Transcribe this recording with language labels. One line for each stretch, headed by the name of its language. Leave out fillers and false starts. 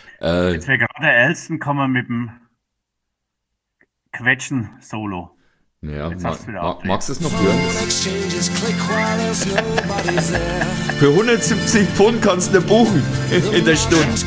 German: Jetzt wäre gerade Elston kommen mit dem Quetschen-Solo. Naja, Jetzt hast du wieder magst du abdrehen. es noch hören?
English: Phone exchanges click while there's nobody there.
German: Für 170 Pfund kannst du buchen in der Stunde.